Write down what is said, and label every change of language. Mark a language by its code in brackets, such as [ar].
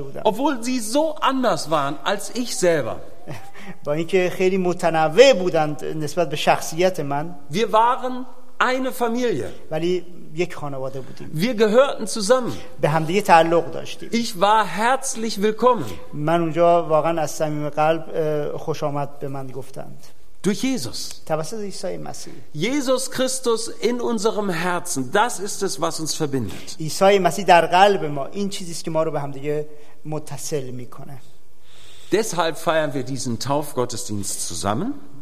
[de] Obwohl sie so anders waren als ich selber. [fa] با اینکه خیلی متنوع بودند نسبت به شخصیت من. [de] Wir waren eine Familie. [fa] ولی یک خانواده بودیم. [de] Wir gehörten zusammen. [fa] به هم دیگه تعلق داشتیم. [de] Ich war herzlich willkommen. [fa] من اونجا واقعا از صمیم قلب خوش آمد به من گفتند. [de] Durch Jesus. [fa] توسط عیسی مسیح. [de] Jesus Christus in unserem Herzen. Das ist es, was uns verbindet. [fa] عیسی مسیح در قلب ما این چیزی است که ما رو به هم دیگه متصل میکنه. [de] Deshalb feiern wir diesen Taufgottesdienst zusammen.